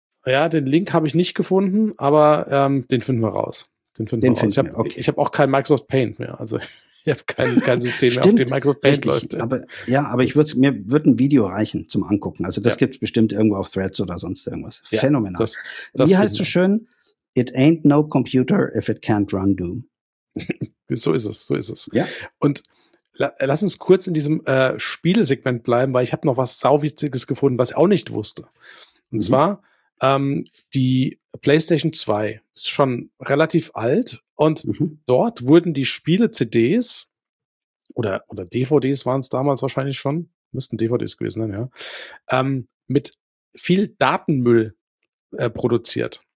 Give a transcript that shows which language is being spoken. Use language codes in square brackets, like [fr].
[de] Ja, den Link habe ich nicht gefunden, aber den finden wir raus. Den finden wir raus. Ich hab auch kein Microsoft Paint mehr. Also ich habe kein System mehr, auf dem Microsoft Paint läuft. Aber mir würde ein Video reichen zum Angucken. Also das gibt es bestimmt irgendwo auf Threads oder sonst irgendwas. Ja, phänomenal. Wie heißt so schön? [en] It ain't no computer if it can't run Doom. [de] So ist es. Ja. Und lass uns kurz in diesem Spielesegment bleiben, weil ich habe noch was Sauwichtiges gefunden, was ich auch nicht wusste. Und zwar. Die PlayStation 2 ist schon relativ alt und dort wurden die Spiele-CDs oder DVDs waren es damals wahrscheinlich schon, müssten DVDs gewesen sein, ja, mit viel Datenmüll produziert.